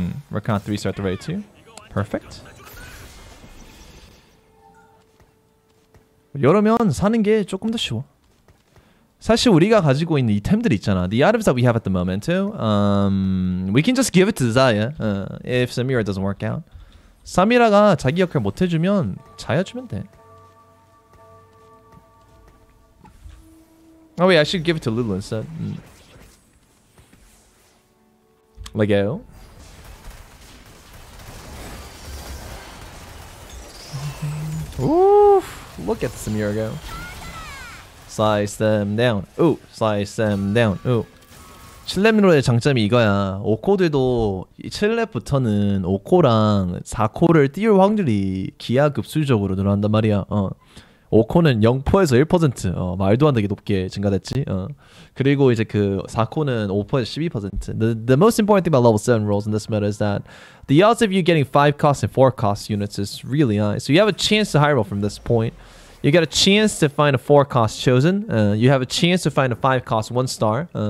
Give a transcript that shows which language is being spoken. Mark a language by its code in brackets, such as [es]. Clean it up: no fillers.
[en] Rakan 3 start the raid 2. Perfect. [ko] 이러면 사는 게 조금 더 쉬워. 사실 우리가 가지고 있는 이템들 있잖아. [en] The items that we have at the moment too. We can just give it to Zaya if Samira doesn't work out. [ko] Samira가 자기 역할 못 해주면 자야 주면 돼. [en] Oh wait, I should give it to Lulu instead. Legao. Oof! Look at Samira go. Slice them down. Ooh, slice them down. Ooh. [ko] 칠렙으로의 장점이 이거야. 5코들도 칠렙부터는 5코랑 4코를 띄울 확률이 기하급수적으로 늘어난단 말이야. 5코는 0%에서 1%. 말도 안 되게 높게 증가됐지. 그리고 이제 그 4코는 5%에서 12%. [en] The most important thing about level 7 rolls in this meta is that the odds of you getting 5 cost and 4 cost units is really high. So you have a chance to high roll from this point. You get a chance to find a 4 cost chosen. You have a chance to find a 5 cost 1 star.